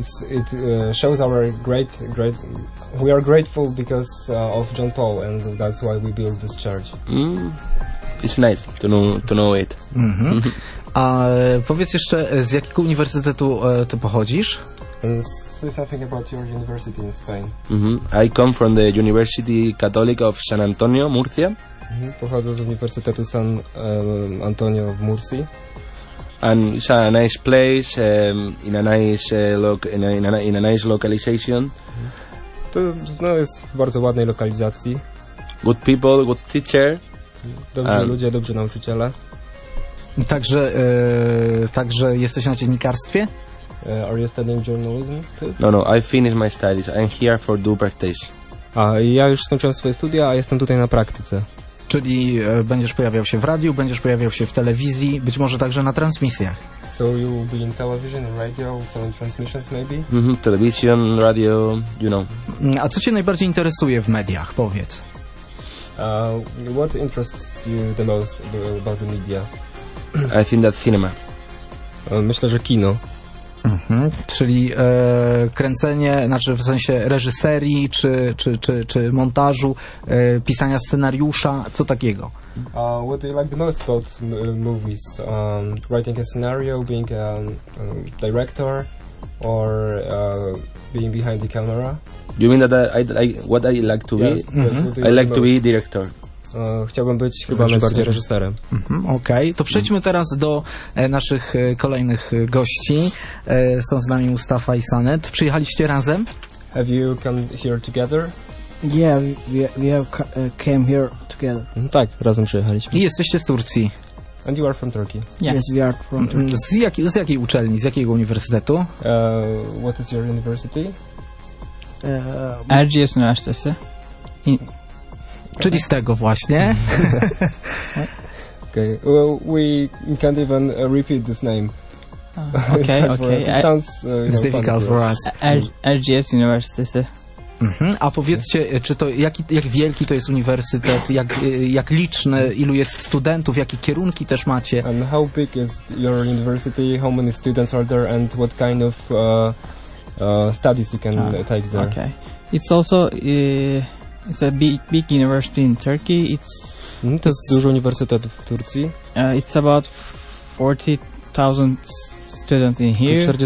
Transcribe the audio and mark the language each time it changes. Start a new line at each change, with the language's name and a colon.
English: It shows our great. We are grateful because of John Paul, and that's why we built this church. Mm. it's nice to know it.
Polish: A powiedz jeszcze, z jakiego uniwersytetu ty pochodzisz?
English: Say something about your university in Spain. I come from the University Catholic of San Antonio, Murcia.
Polish: Pochodzę z Uniwersytetu San Antonio w Murcji.
English: And it's a nice place, in a nice nice localization.
Polish: To no, jest w bardzo ładnej lokalizacji.
English: Good people, good teacher.
Polish: Dobrzy ludzie, dobrzy nauczyciele. Także, także jesteś na dziennikarstwie?
English: Are you studying journalism? No, no, I finished my studies. I'm here for do practice.
Polish: A, ja już skończyłem swoje studia, a jestem tutaj na praktyce. Czyli będziesz pojawiał się w radiu, będziesz pojawiał się w telewizji, być może także na transmisjach.
English: So you will be in television, radio, some transmissions maybe? Television, radio, you know.
Polish: A co cię najbardziej interesuje w mediach, powiedz?
English: What interests you the most about the media? I think that cinema.
Polish: Myślę, że kino. Czyli kręcenie, znaczy w sensie reżyserii, czy montażu, pisania scenariusza, co takiego?
English: What do you like the most about movies? Writing a scenario, being a director, or being behind the camera? You mean that what I like to be? Yes. I like to be director.
Polish: Chciałbym być chyba najbardziej reżyserem. Okej, okay. To przejdźmy teraz do naszych kolejnych gości. Są z nami Mustafa i Sanet. Przyjechaliście razem?
English: Have you come here together? Yeah, we have came here together.
Polish: Tak, razem przyjechaliśmy. I jesteście z Turcji.
English: And you are from Turkey. Yes, yes, we are from Turkey.
Polish: Z jakiej uczelni, z jakiego uniwersytetu?
English: What is your university?
Turkish: RGS Üniversitesi.
Polish: Czyli z tego właśnie.
English: Okay. Well, we can't even repeat this name. Okay, it sounds it's difficult for us. RGS University.
Polish: A powiedzcie, czy to jak wielki to jest uniwersytet, jak liczny, ilu jest studentów, jakie kierunki też macie?
English: And how big is your university? How many students are there and what kind of studies you can take there? Okay. It's also it's a big university in Turkey. It's
Polish: to jest duży uniwersytet w Turcji.
English: It's about 40,000 students in here.